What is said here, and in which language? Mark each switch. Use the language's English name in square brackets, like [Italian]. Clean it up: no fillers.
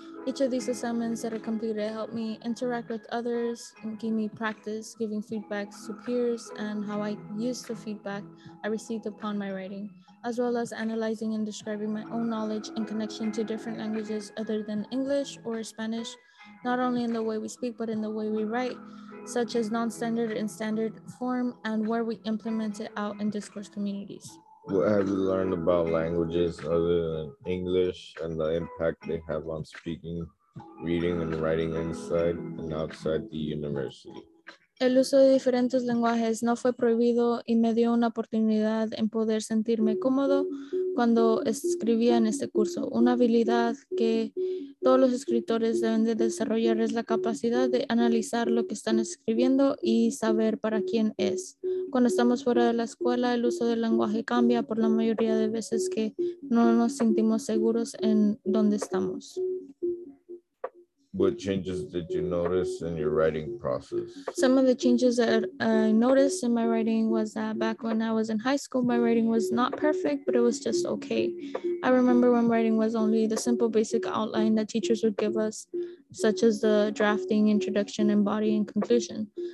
[English] Each of these assignments that are completed helped me interact with others and gave me practice giving feedback to peers and how I used the feedback I received upon my writing, as well as analyzing and describing my own knowledge in connection to different languages other than English or Spanish, not only in the way we speak, but in the way we write, such as non-standard and standard form, and where we implement it out in discourse communities. What have you learned about languages other than English and the impact they have on speaking, reading, and writing inside and outside the university? [Spanish] El uso de diferentes lenguajes no fue prohibido y me dio una oportunidad en poder sentirme cómodo cuando escribía en este curso. Una habilidad que todos los escritores deben de desarrollar es la capacidad de analizar lo que están escribiendo y saber para quién es. Cuando estamos fuera de la escuela, el uso del lenguaje cambia por la mayoría de veces que no nos sentimos seguros en dónde estamos. [English] What changes did you notice in your writing process? Some of the changes that I noticed in my writing was that back when I was in high school, my writing was not perfect, but it was just okay. I remember when writing was only the simple basic outline that teachers would give us, such as the drafting, introduction, and body and conclusion.